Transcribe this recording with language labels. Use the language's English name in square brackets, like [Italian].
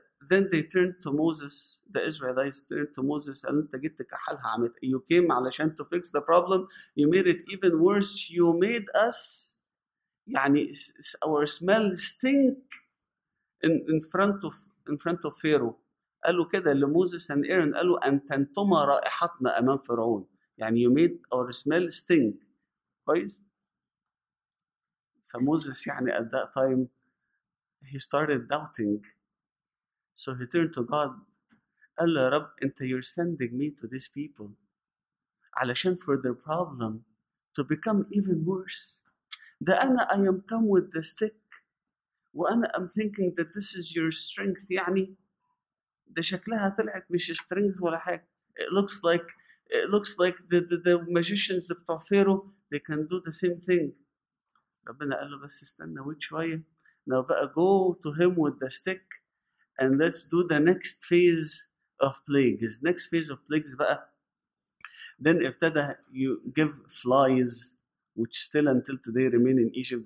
[English] Then they turned to Moses. The Israelites turned to Moses. You came علشان to fix the problem. You made it even worse. You made us, يعني our smell stink in front of Pharaoh. [Arabic] قالوا كده لموسى [English] and Aaron. [Arabic] قالوا أنتما رائحتنا أمام فرعون. [English] يعني you made our smell stink. [Arabic] كويس. [English] فموسى يعني at that time he started doubting. So he turned to God. [Arabic] قال له يا رب انت [English] you're sending me to these people علشان for their problem to become even worse. [Arabic] ده أنا [English] I am come with the stick وأنا I'm thinking that this is your strength. [Arabic] يعني ده شكلها طلعت مش strength ولا حاجة. [English] It looks like the magicians بتوع Pharaoh they can do the same thing. [Arabic] ربنا قال له بس استنى wait شوية. [English] Now بقى go to him with the stick and let's do the next phase of plagues. Next phase of plagues بقى. Then ابتدى you give flies which still until today remain in Egypt.